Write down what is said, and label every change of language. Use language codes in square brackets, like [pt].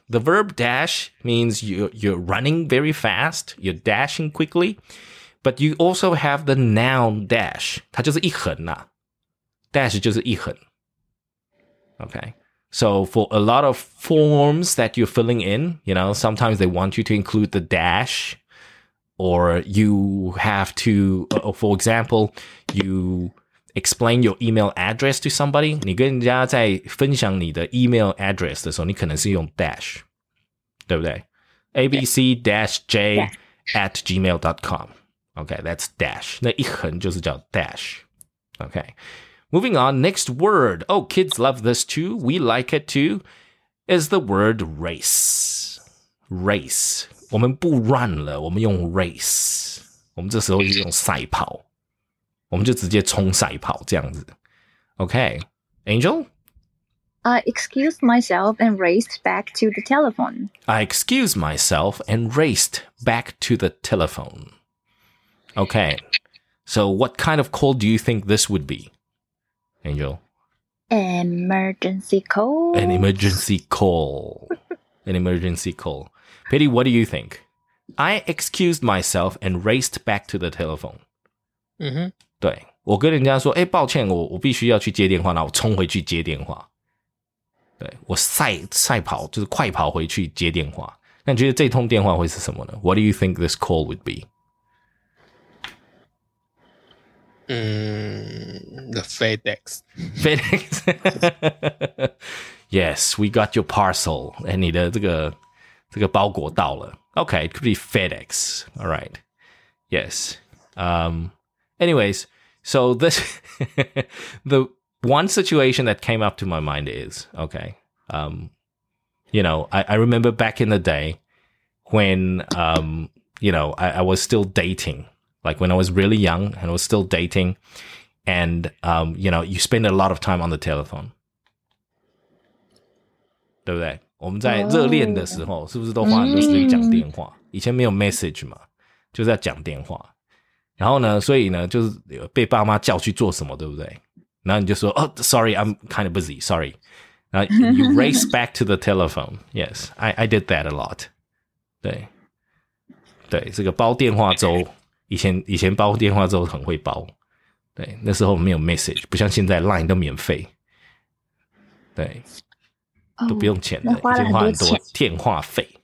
[en] The verb dash means you're running very fast, you're dashing quickly, but you also have the noun dash. [zh] 它就是一横啊, dash就是一横. [en] Okay. So for a lot of forms that you're filling in, you know, sometimes they want you to include the dash, or you have to, for example, you explain your email address to somebody. [zh] 你跟人家在分享你的email address的时候，你可能是用dash， 对不对？ [en] abc-j@gmail.com. Okay, that's dash. [zh] 那一横就是叫dash. [en] Okay, moving on. Next word. Oh, kids love this too. We like it too. Is the word race. Race. [zh] 我们不run了，我们用race. 我们这时候就用赛跑。 我们就直接冲赛跑这样子 [en] Okay. Angel? I excused myself and raced back to the telephone. Okay. So what kind of call do you think this would be, Angel? Emergency call. An emergency call. Pity, what do you think? I excused myself and raced back to the telephone. Mm-hmm. [zh] 对。我跟人家说，欸，抱歉，我必须要去接电话，那我冲回去接电话。对，我赛跑，就是快跑回去接电话。那你觉得这通电话会是什么呢？ [en] What do you think this call would be? 嗯， the FedEx. FedEx. Yes, we got your parcel. [zh] 欸，你的这个包裹到了。 [en] Okay, it could be FedEx. All right. Yes. Anyways,So this, the one situation that came up to my mind is, okay, you know, I remember back in the day when, you know, I was still dating, like when I was really young and I was still dating and, you know, you spend a lot of time on the telephone. [zh] 对不对？我们在热恋的时候是不是都花很多时间讲电话？以前没有 message 嘛，就是要讲电话。然后呢，所以呢，就是被爸妈叫去做什么，对不对？然后你就说，哦 [en] ，sorry, I'm kind of busy, sorry. Now you race back to the telephone. Yes, I did that a lot. [zh] 对，对，这个包电话粥，以前包电话粥很会包。对，那时候没有 message， 不像现在 Line 都免费。对，都不用钱的，已经花很多电话费。